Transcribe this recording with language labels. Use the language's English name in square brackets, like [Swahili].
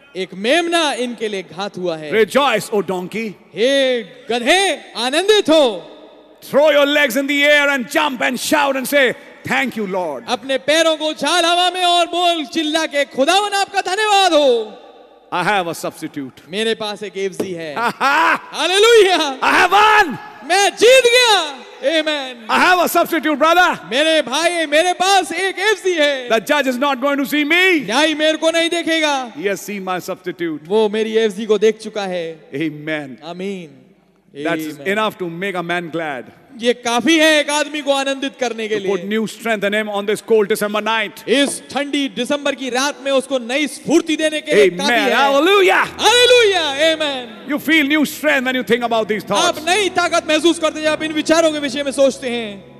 [Hindi] एक मेमना इनके लिए घात हुआ है. [English] Rejoice, O donkey. [Hindi] हे गधे, आनंदित हो. [English] Throw your legs in the air and jump and shout and say, Thank you, Lord. [Hindi] अपने पैरों को छाल हवा में और बोल चिल्ला के खुदावन आपका धन्यवाद हो. [English] I have a substitute. [Hindi] मेरे पास एक एवजी है. [English] Hallelujah. I have won. [Hindi] मैं जीत गया. Amen. [English] I have a substitute, brother. [Hindi] मेरे भाई, मेरे पास एक एवजी है. [English] The judge is not going to see me. [Hindi] न्यायी मेरे को नहीं देखेगा. [English] He has seen my substitute. [Hindi] वो मेरी एवजी को देख चुका है. [English] Amen. Amen. That's enough to make a man glad. [Hindi] ये काफी है एक आदमी को आनंदित करने के लिए. [English] Put new strength and aim on this cold December night. [Hindi] इस ठंडी दिसंबर की रात में उसको नई स्फूर्ति देने के लिए काफी है. [English] Hallelujah. Hallelujah. Amen. You feel new strength when you think about these thoughts. [Hindi] आप नई ताकत महसूस करते हैं जब इन विचारों के विषय में सोचते हैं.